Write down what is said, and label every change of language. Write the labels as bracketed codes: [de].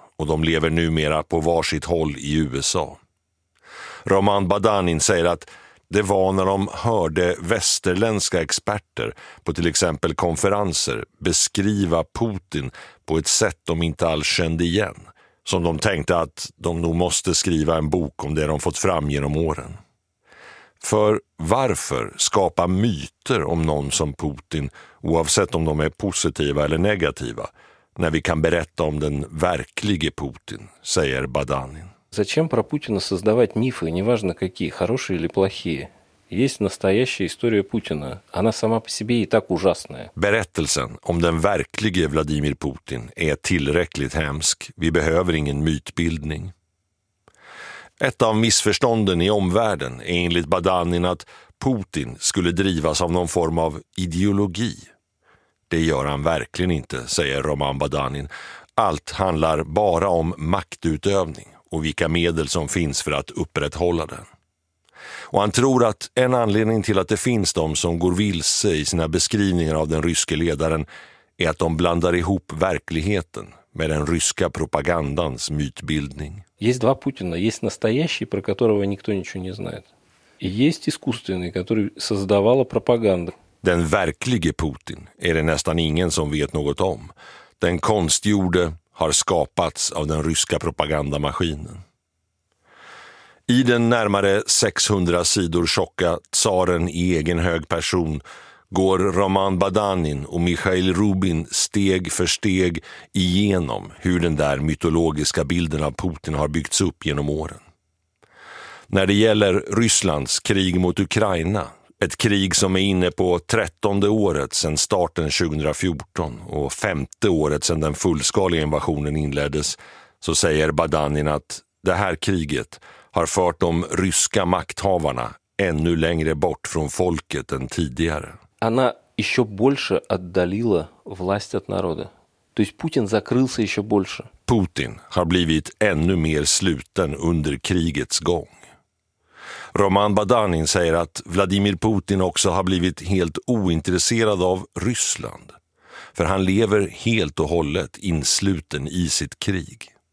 [sv] Och de lever numera på varsitt håll i USA. Roman Badanin säger att det var när de hörde västerländska experter på till exempel konferenser beskriva Putin på ett sätt de inte alls kände igen, som de tänkte att de nog måste skriva en bok om det de fått fram genom åren. För varför skapa myter om någon som Putin, oavsett om de är positiva eller negativa, när vi kan berätta om den verklige Putin, säger Badanin. [ru] Зачем про Путина создавать мифы, неважно какие, хорошие или плохие? Есть настоящая история Путина. Она сама по себе и так ужасная. [sv] Berättelsen om den verklige Vladimir Putin är tillräckligt hemsk. Vi behöver ingen mytbildning. Ett av missförstånden i omvärlden är enligt Badanin att Putin skulle drivas av någon form av ideologi. Det gör han verkligen inte, säger Roman Badanin. Allt handlar bara om maktutövning och vilka medel som finns för att upprätthålla den. Och han tror att en anledning till att det finns de som går vilse i sina beskrivningar av den ryske ledaren är att de blandar ihop verkligheten med den ryska propagandans mytbildning. [ru] Есть два Путина, есть настоящий, про которого никто ничего не знает. И есть искусственный, который создавала пропаганда. [sv] Den verklige Putin är det nästan ingen som vet något om. Den konstgjorde har skapats av den ryska propagandamaskinen. I den närmare 600 sidor tjocka tsaren i egen hög person går Roman Badanin och Mikhail Rubin steg för steg igenom hur den där mytologiska bilden av Putin har byggts upp genom åren. När det gäller Rysslands krig mot Ukraina, ett krig som är inne på 13:e året sedan starten 2014 och 5:e året sedan den fullskaliga invasionen inleddes, så säger Badanin att det här kriget har fört de ryska makthavarna ännu längre bort från folket än tidigare. [ru] Она ещё больше отдалила власть от народа. То есть Путин закрылся ещё больше. [sv] Putin har blivit ännu mer sluten under krigets gång. Roman Badanin säger att Vladimir Putin också har blivit helt ointresserad av Ryssland. För han lever helt och hållet insluten i sitt krig.